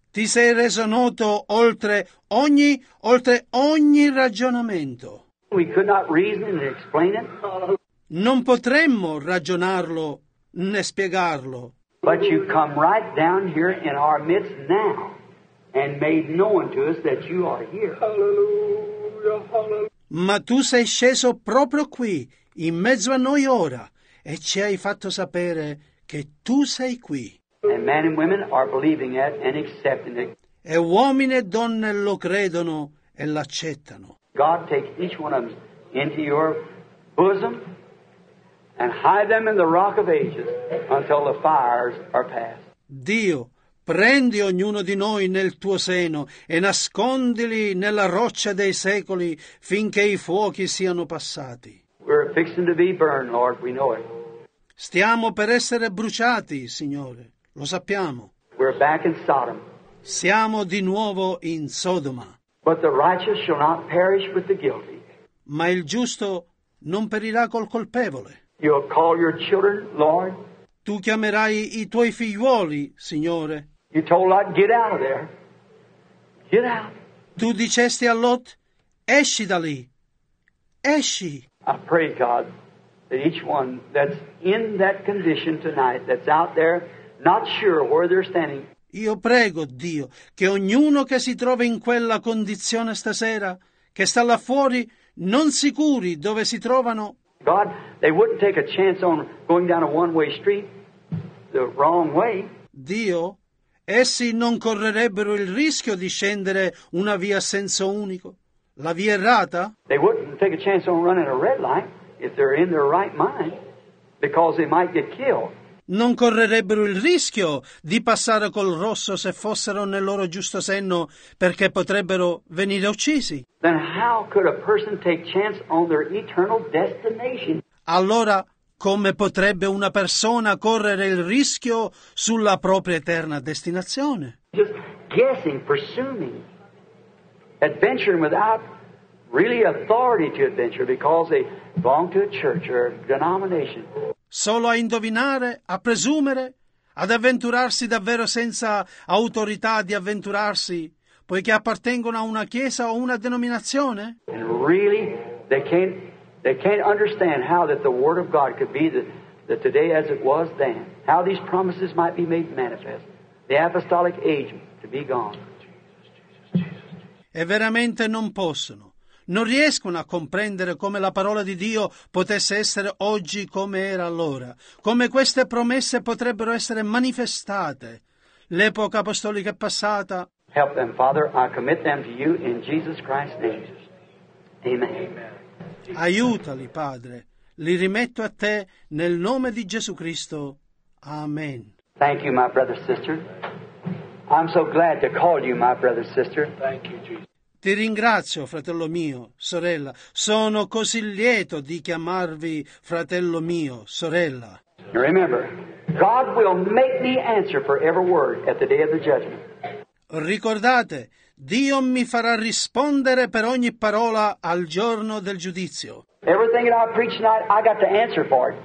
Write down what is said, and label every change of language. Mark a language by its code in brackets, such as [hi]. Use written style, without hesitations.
[it] Ti sei reso noto oltre ogni ragionamento. [en] We could not reason and explain it. [it] Non potremmo ragionarlo né spiegarlo. [en] But you come right down here in our midst now and made known to us that you are here. Hallelujah, hallelujah. [it] Ma tu sei sceso proprio qui, in mezzo a noi ora, e ci hai fatto sapere che tu sei qui. [en] And men and women are believing it and accepting it. [it] E uomini e donne lo credono e l'accettano. [en] God take each one of them into your bosom and hide them in the rock of ages until the fires are past. [it] Dio, prendi ognuno di noi nel tuo seno e nascondili nella roccia dei secoli finché i fuochi siano passati. [en] We're fixing to be burned, Lord, we know it. [it] Stiamo per essere bruciati, Signore, lo sappiamo. [en] We're back in Sodom. [it] Siamo di nuovo in Sodoma. [en] But the righteous shall not perish with the guilty. [it] Ma il giusto non perirà col colpevole. [en] You'll call your children, Lord. [it] Tu chiamerai i tuoi figliuoli, Signore. [en] You told Lot, get out of there. Get out. [it] Tu dicesti a Lot, esci da lì. Esci. [en] I pray, God, that each one that's in that condition tonight, that's out there, not sure where they're standing. [it] Io prego, Dio, che ognuno che si trova in quella condizione stasera, che sta là fuori, non sicuri dove si trovano, [en] God, they wouldn't take a chance on going down a one-way street the wrong way. [it] Dio, essi non correrebbero il rischio di scendere una via a senso unico, la via errata. [en] They wouldn't take a chance on running a red light if they're in their right mind, because they might get killed. [it] Non correrebbero il rischio di passare col rosso se fossero nel loro giusto senno, perché potrebbero venire uccisi. [en] Then how could a person take chance on their eternal destination? [it] Allora, come potrebbe una persona correre il rischio sulla propria eterna destinazione? [en] Just guessing, presuming, adventuring without really authority to adventure because they belong to a church or a denomination. [it] Solo a indovinare, a presumere, ad avventurarsi davvero senza autorità di avventurarsi, poiché appartengono a una chiesa o una denominazione? [en] And really, they can't understand how that the word of God could be the today as it was then, how these promises might be made manifest, the apostolic age to be gone. [it] E veramente non possono. Non riescono a comprendere come la parola di Dio potesse essere oggi come era allora, come queste promesse potrebbero essere manifestate. L'epoca apostolica è passata. [en] Help them, Father. I commit them to you in Jesus Christ's name. Amen. [it] Aiutali, Padre. Li rimetto a te nel nome di Gesù Cristo. Amen. [en] Thank you, my brother, sister. I'm so glad to call you my brother, sister. Thank you, Jesus. [it] Ti ringrazio, fratello mio, sorella. Sono così lieto di chiamarvi fratello mio, sorella. [en] Remember, God will make me answer for every word at the day of the judgment. [it] Ricordate, Dio mi farà rispondere per ogni parola al giorno del giudizio. [en] Everything that I preach tonight, I got to answer for it.